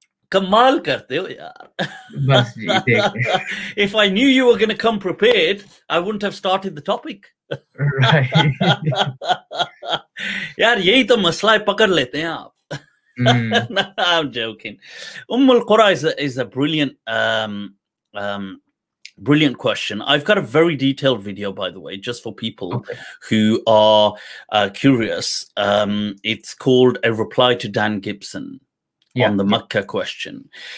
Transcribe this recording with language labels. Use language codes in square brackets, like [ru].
[ur] کمال کرتے ہو یار۔ [en] If I knew you were going to come prepared, I wouldn't have started the topic. Right. [ur] یار، یہی تو مسئلہ ہے، پکڑ لیتے ہیں آپ۔ [en] No, I'm joking. Ummul Qura is a brilliant brilliant question. I've got a very detailed video, by the way, just for people who are curious. It's called A Reply to Dan Gibson on the Makkah question.